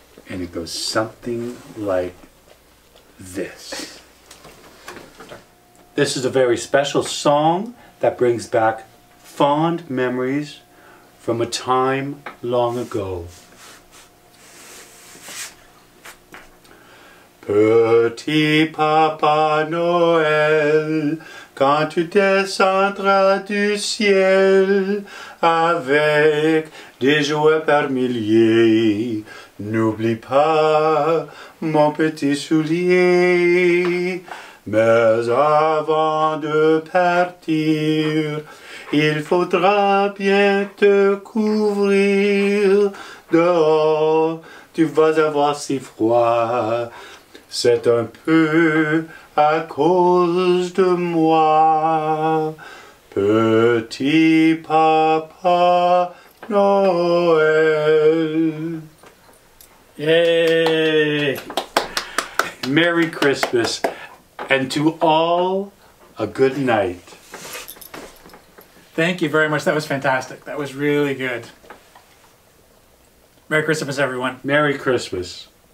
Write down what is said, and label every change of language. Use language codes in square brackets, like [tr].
[en] And it goes something like this. This is a very special song that brings back fond memories from a time long ago. [fr] Petit Papa Noël, quand tu descendras du ciel avec des jouets par milliers, n'oublie pas mon petit soulier. Mais avant de partir, il faudra bien te couvrir. Dehors, tu vas avoir si froid. C'est un peu à cause de moi, petit Papa Noël. [en] Yay! Merry Christmas, and to all, a good night. Thank you very much. That was fantastic. That was really good. Merry Christmas, everyone. Merry Christmas.